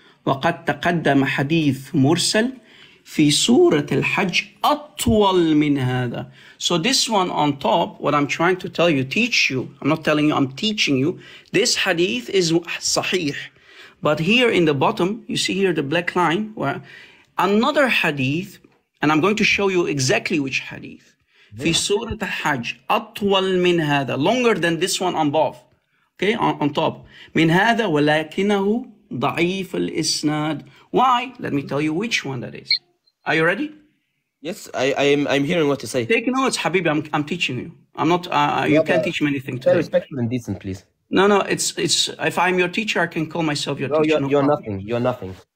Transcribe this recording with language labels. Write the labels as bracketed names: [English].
[Arabic] وَقَدْ تَقَدَّمَ حَدِيثُ مُرْسَلُ في سورة الحج أطول من هذا. [English] So this one on top, what I'm trying to tell you, teach you. I'm not telling you, I'm teaching you. This hadith is sahih. But here in the bottom, you see here the black line, where another hadith, and I'm going to show you exactly which hadith. Yeah. [Arabic] في سورة الحج أطول من هذا. [English] Longer than this one above. Okay, on top. [Arabic] من هذا ولكنه ضعيف الإسناد. [English] Why? Let me tell you which one that is. Are you ready? Yes, I'm hearing what you say. Take notes, Habibi. I'm teaching you. I'm not. You can't teach me anything today. Very respectful and decent, please. No. It's if I'm your teacher, I can call myself your teacher. You're nothing.